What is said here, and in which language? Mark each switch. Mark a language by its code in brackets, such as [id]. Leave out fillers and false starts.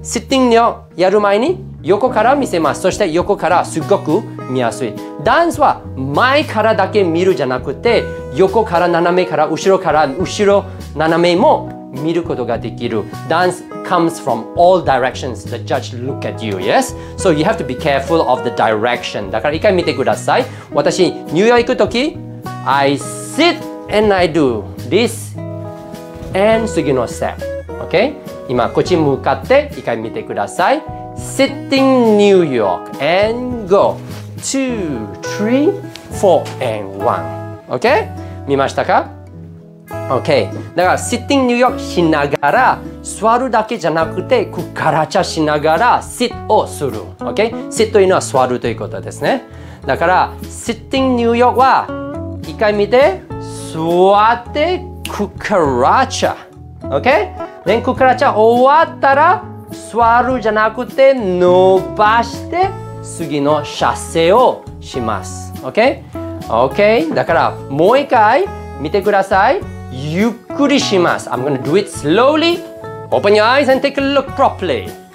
[ja] シッティングをやる前に横から見せます。そして横からすごく見やすい。ダンスは前からだけ見るじゃなくて、横から斜めから後ろから後ろ斜めも見ることができる。 [en] ダンス comes from all directions. The judge look at you, yes? So you have to be careful of the direction. [ja] だから一回見てください。私、ニューヨーク行くとき、 [en] I sit and I do this and [ja] 次の step. OK? 今こっち向かって一回見てください。 Sitting New York [en] and go 2, 3, 4 and 1 [ja] OK 見ましたか ？OK だから Sitting New York しながら座るだけじゃなくてくからちゃしながら sit をする。 OK sit というのは座るということですね。だから Sitting New York は一回見て座ってくからちゃ。OK。で、クカラチャ終わったら座るじゃなくて伸ばして次のシャセをします。 OK?OK?、OK? OK? だからもう一回見てください。ゆっくりします。 [en] I'm gonna do it slowly. Open your eyes and take a look properly.